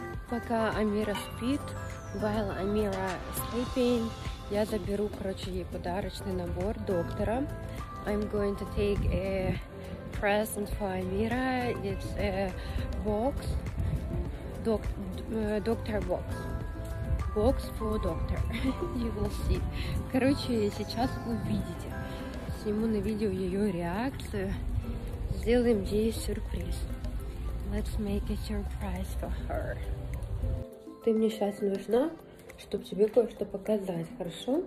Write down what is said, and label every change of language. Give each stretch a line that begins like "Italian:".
Russian: Пока Амира спит,
English: while Amira sleeping,
Russian: я заберу, короче, ей подарочный набор доктора.
English: I'm going to take a present for Amira. It's a box, doctor box. Box for doctor. You will see.
Russian: Короче, сейчас увидите. Сниму на видео ее реакцию. Сделаем ей сюрприз.
English: Let's make a surprise for her.
Russian: Ты мне сейчас нужна, чтобы тебе кое-что показать, хорошо?